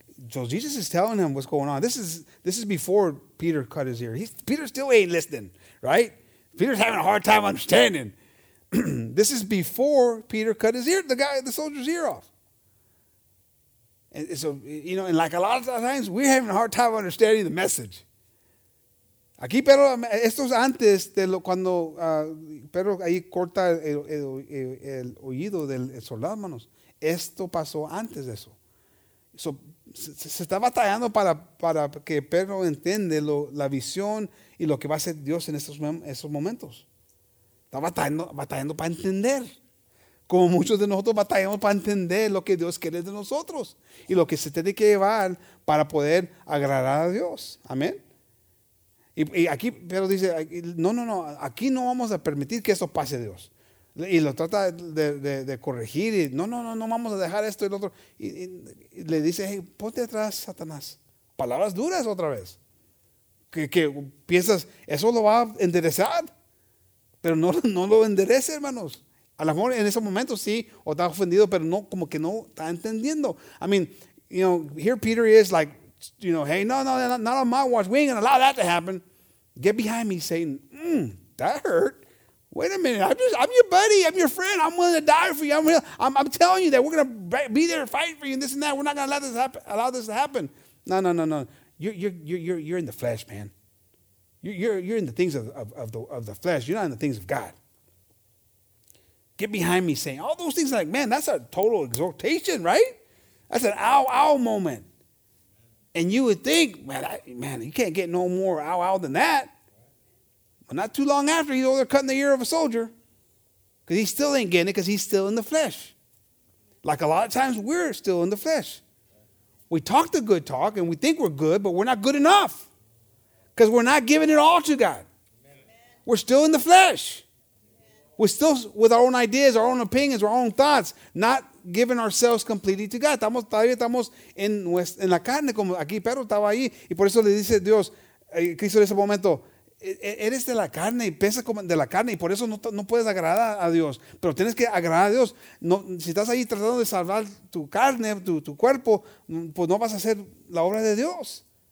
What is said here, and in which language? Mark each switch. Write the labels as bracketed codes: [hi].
[en] So Jesus is telling him what's going on. This is before Peter cut his ear. Peter still ain't listening, right? Peter's having a hard time understanding. This is before Peter cut his ear, the soldier's ear off. And so, you know, and like a lot of times, we're having a hard time understanding the message. [es] Aquí Pedro, esto es antes de cuando Pedro ahí corta el oído del soldado, hermanos. Esto pasó antes de eso. So, se está batallando para que Pedro entienda la visión y lo que va a hacer Dios en esos momentos. Está batallando para entender. Como muchos de nosotros batallamos para entender lo que Dios quiere de nosotros y lo que se tiene que llevar para poder agradar a Dios. Amén. Y aquí Pedro dice, no, aquí no vamos a permitir que eso pase, Dios. Y lo trata de corregir y no vamos a dejar esto y el otro. Y le dice, hey, ponte atrás, Satanás. Palabras duras otra vez. Que piensas, eso lo va a enderezar. Pero no lo enderece, hermanos. A lo mejor en ese momento sí, o está ofendido, pero no, como que no está entendiendo. [en] I mean, you know, here Peter is like, you know, hey, no, not on my watch. We ain't gonna allow that to happen. Get behind me, Satan. That hurt. Wait a minute. I'm your buddy. I'm your friend. I'm willing to die for you. I'm telling you that we're gonna be there to fight for you and this and that. We're not gonna let this happen. Allow this to happen. No. You're in the flesh, man. You're in the things of the flesh. You're not in the things of God. Get behind me, Satan. All those things, like, man, that's a total exhortation, right? That's an ow moment. And you would think, man, you can't get no more ow than that. But not too long after, he's over there cutting the ear of a soldier. Because he still ain't getting it because he's still in the flesh. Like a lot of times, we're still in the flesh. We talk the good talk and we think we're good, but we're not good enough. Because we're not giving it all to God. Amen. We're still in the flesh. Amen. We're still with our own ideas, our own opinions, our own thoughts, not giving ourselves completely to God. [es] Estamos, todavía estamos en la carne, como aquí Pedro estaba ahí. Y por eso le dice Dios, Cristo en ese momento, eres de la carne y piensas como de la carne. Y por eso no puedes agradar a Dios. Pero tienes que agradar a Dios. No, si estás ahí tratando de salvar tu carne, tu cuerpo, pues no vas a hacer la obra de Dios.